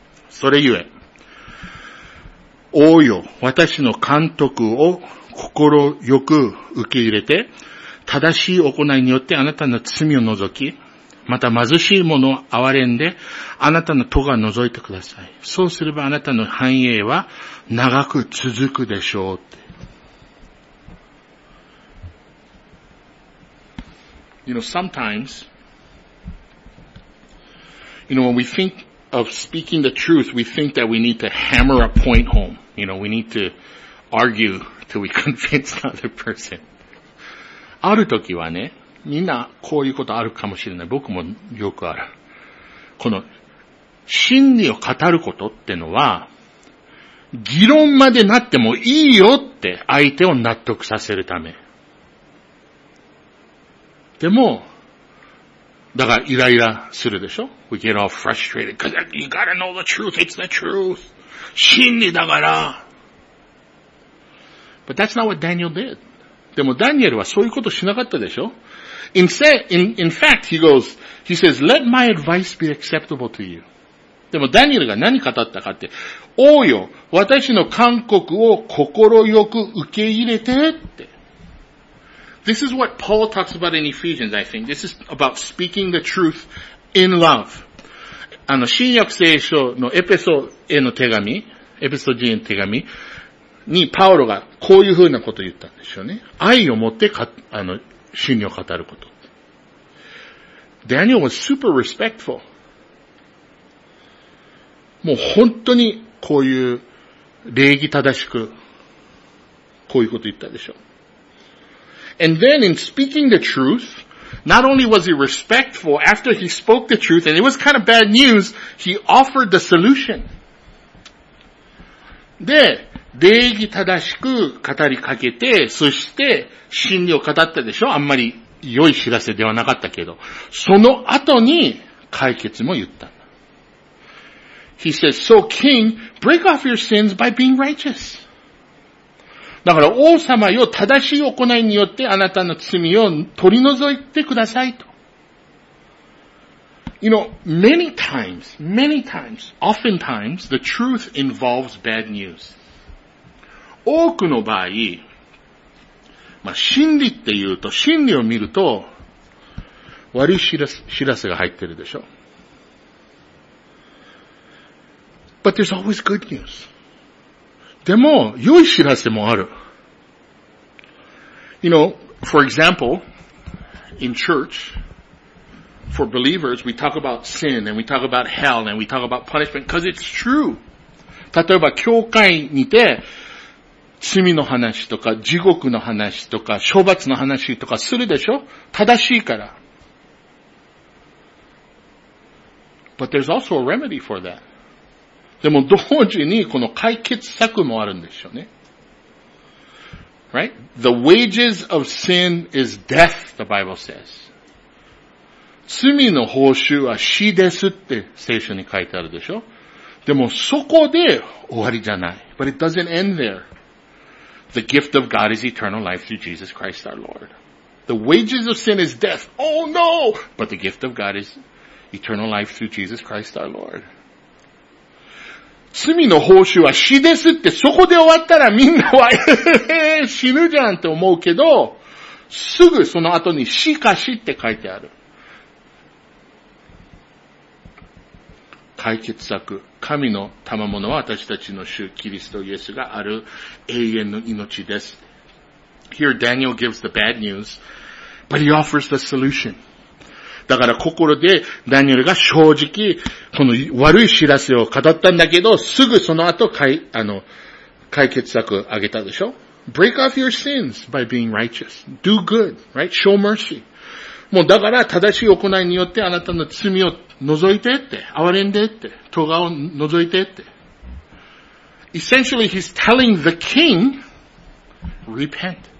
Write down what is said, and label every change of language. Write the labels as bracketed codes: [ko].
[ja] それゆえ、王よ、私の監督を心よく受け入れて、正しい行いによってあなたの罪を除き、また貧しい者を憐れんで、あなたの咎を除いてください。そうすればあなたの繁栄は長く続くでしょうって。 [en] You know, sometimes, you know, when we think of speaking the truth, we think that we need to hammer a point home. You know, we need to argue till we convince the other person. [ja] ある時はね、みんなこういうことあるかもしれない。僕もよくある。この真理を語ることってのは、議論までなってもいいよって相手を納得させるため。でも、だからイライラするでしょ? [en] We get all frustrated because you gotta know the truth, it's the truth. [ja] 真理だから。 [en] But that's not what Daniel did. [ja] でもダニエルはそういうことしなかったでしょ? [en] In fact, he says, let my advice be acceptable to you. [ja] でもダニエルが何語ったかって、王よ、私の勧告を心よく受け入れてって。 [en] This is what Paul talks about in Ephesians, I think. This is about speaking the truth in love. [ja] 新約聖書のエペソへの手紙、エペソ人への手紙にパウロがこういうふうなことを言ったんですよね。愛を持って、真理を語ること。 [en] Daniel was super respectful. [ja] もう本当にこういう礼儀正しく、こういうことを言ったでしょ。 [en] And then in speaking the truth, not only was he respectful after he spoke the truth, and it was kind of bad news, he offered the solution. [ja] で、礼儀正しく語りかけて、そして真理を語ったでしょ?あんまり良い知らせではなかったけど、その後に解決も言った。 [en] He says, so king, break off your sins by being righteous. [ja] だから王様よ、正しい行いによってあなたの罪を取り除いてくださいと。 [en] You know, oftentimes, the truth involves bad news. [ja] 多くの場合、まあ、真理って言うと、真理を見ると、悪い知らせが入ってるでしょ。 [en] But there's always good news. [ja] でも、良い知らせもある。 [en] You know, for example, in church, for believers, we talk about sin, and we talk about hell, and we talk about punishment, because it's true. [ja] 例えば、教会にて、罪の話とか、地獄の話とか、処罰の話とかするでしょ? 正しいから。 [en] But there's also a remedy for that. [ja] でも、同時に、この解決策もあるんですよね。 [en] Right? The wages of sin is death, the Bible says. [ja] 罪の報酬は死ですって聖書に書いてあるでしょ? でもそこで終わりじゃない。 [en] But it doesn't end there. The gift of God is eternal life through Jesus Christ our Lord. The wages of sin is death. Oh no! But the gift of God is eternal life through Jesus Christ our Lord. [ja] 罪の報酬は死ですって、そこで終わったらみんなは死ぬじゃんって思うけど、すぐその後に死か死って書いてある。解決策。神の賜物は私たちの主、キリストイエスがある永遠の命です。 [en] Here Daniel gives the bad news, but he offers the solution. [ja] だから心でダニエルが正直この悪い知らせを語ったんだけど、すぐその後解決策あげたでしょ。 [en] Break off your sins by being righteous. Do good, right? Show mercy. [ja] もうだから正しい行いによってあなたの罪を除いてって、憐れんでって、咎を除いてって。 [en] Essentially, he's telling the king, repent.